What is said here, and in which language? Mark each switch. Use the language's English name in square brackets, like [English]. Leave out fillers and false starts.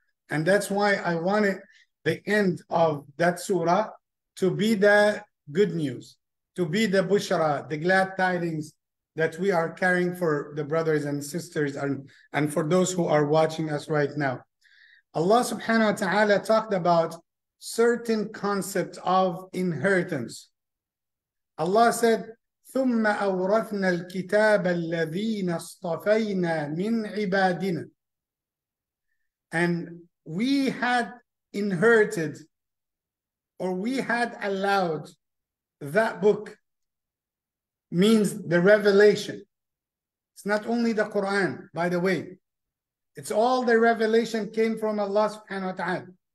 [English] And that's why I wanted the end of that surah to be the good news, to be the bushara, the glad tidings that we are carrying for the brothers and sisters and for those who are watching us right now. Allah subhanahu wa ta'ala talked about certain concepts of inheritance. [Arabic] Allah said, ثُمَّ أَوْرَثْنَا الْكِتَابَ الَّذِينَ اصْطَفَيْنَا مِنْ عِبَادِنَا. [English] And we had inherited, or we had allowed, that book means the revelation. It's not only the Quran, by the way. It's all the revelation came from Allah subhanahu wa ta'ala.